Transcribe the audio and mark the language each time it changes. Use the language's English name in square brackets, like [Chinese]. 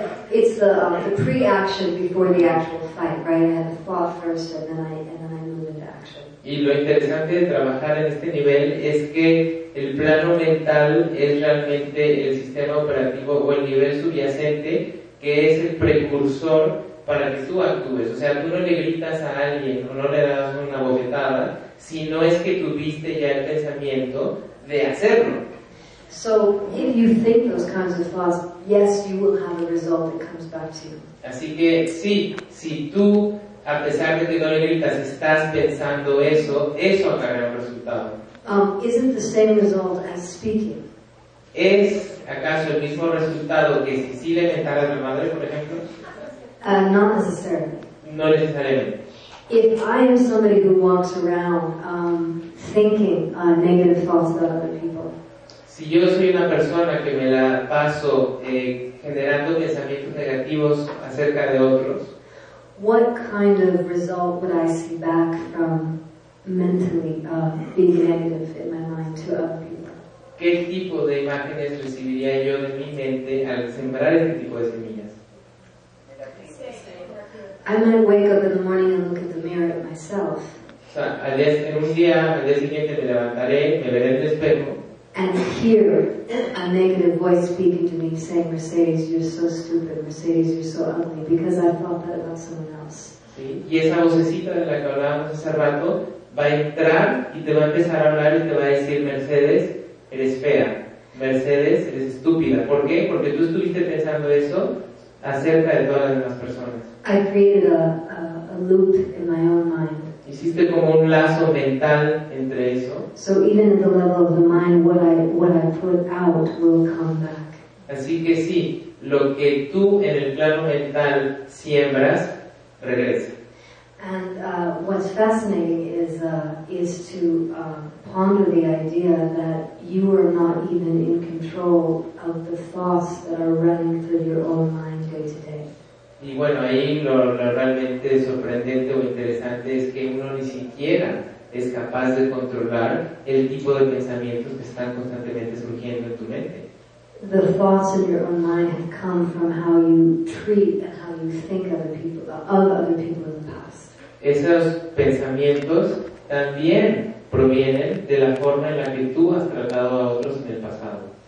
[English] It's the pre-action before the actual fight, right? I have a thought first, and then I move into action. [Spanish] Y lo interesante de trabajar en este nivel es que el plano mental es realmente el sistema operativo o el nivel subyacente que es el precursor para que tú actúes. O sea, tú no le gritas a alguien o no le das una bofetada, sino es que tuviste ya el pensamiento de hacerlo. [English] So, if you think those kinds of thoughts, yes, you will have a result that comes back to you. [Spanish] Así que sí, si tú, a pesar de que no le gritas, estás pensando eso, eso acarrea un resultado. [English] Isn't the same result as speaking? [Spanish] ¿Es acaso el mismo resultado que si sí le mentara a mi madre, por ejemplo? [English] Not necessarily. [Spanish] No necesariamente. [English] If I am somebody who walks around thinking negative thoughts about other people. [Spanish] Si yo soy una persona que me la paso generando pensamientos negativos acerca de otros. [English] What kind of result would I see back from mentally being negative in my mind to other people? [Spanish] ¿Qué tipo de imágenes recibiría yo de mi mente al sembrar este tipo de semillas? [English] I might wake up in the morning and look at the mirror at myself. [Spanish] En un día, al día siguiente me levantaré, me veré en el espejo. [English] And hear a negative voice speaking to me saying, Mercedes, you're so stupid, Mercedes, you're so ugly, because I thought that about someone else. [Spanish] Sí. Y esa vocecita de la que hablábamos hace rato va a entrar y te va a empezar a hablar y te va a decir, Mercedes, eres fea, Mercedes, eres estúpida. ¿Por qué? Porque tú estuviste pensando eso acerca de todas las demás personas. [English] I created a loop in my own mind. [Spanish] Hiciste como un lazo mental entre eso. [English] So even at the level of the mind, what I put out will come back. [Spanish] Así que sí, lo que tú en el plano mental siembras, regresa. [English] And what's fascinating is to ponder the idea that you are not even in control of the thoughts that are running through your own mind day to day. [Spanish] Y bueno, ahí lo realmente sorprendente o interesante es que uno ni siquiera es capaz de controlar el tipo de pensamientos que están constantemente surgiendo en tu mente. [English] The thoughts in your own mind have come from how you treat and how you think of other people in the past. [Spanish] Esos pensamientos también provienen de la forma en la que tú has tratado a otros en el pasado.